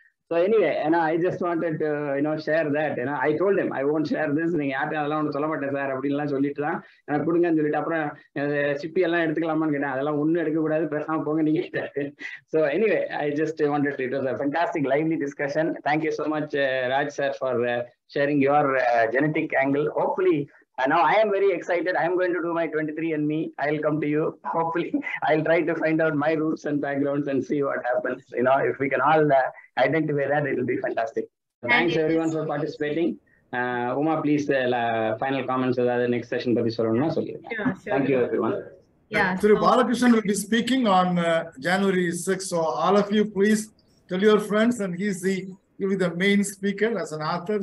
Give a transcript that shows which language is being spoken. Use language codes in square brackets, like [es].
[en] So anyway, and I just wanted to, you know, share that. You know, I told him, I won't share this. [ta] நீங்க யார்ட்ட அதெல்லாம் ஒன்று சொல்ல மாட்டேன் sir அப்படின்னு எல்லாம் சொல்லிட்டு தான் எனக்கு கொடுங்கன்னு சொல்லிட்டு அப்புறம் சிப்பி எல்லாம் எடுத்துக்கலாமான்னு கேட்டேன். அதெல்லாம் ஒன்றும் எடுக்கக்கூடாது, பெருசாக போங்க நீங்க கேட்டாரு. [en] So anyway I just wanted to, it was a fantastic lively discussion. Thank you so much Raj sir for sharing your genetic angle. Hopefully no I am very excited. I am going to do my 23 and me. I will come to you. Hopefully I will try to find out my roots and backgrounds and see what happens. You know, if you can all identify that, it will be fantastic. Thanks everyone for participating. Uma, please final comments of the next session for this one. Thank you everyone. Yeah, Thiru Balakrishnan will be speaking on January 6th. So all of you, please tell your friends, and he'll be the main speaker as an author.